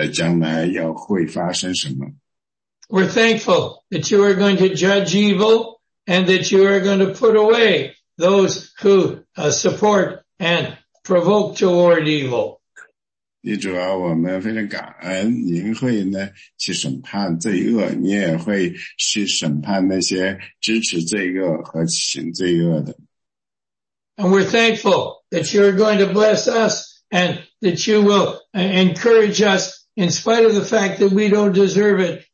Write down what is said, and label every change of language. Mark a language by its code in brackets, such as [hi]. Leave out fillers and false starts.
[zh] 对，主啊，我们非常的惊奇，就是说您这么直白地告诉我们，在将来要会发生什么。 [en] We're thankful that you are going to judge evil and that you are going to put away those who support and provoke toward evil. [zh] 主啊，我们非常感恩，您会呢去审判罪恶，你也会去审判那些支持罪恶和行罪恶的。 [en] And we're thankful that you are going to bless us and that you will encourage us in spite of the fact that we don't deserve it.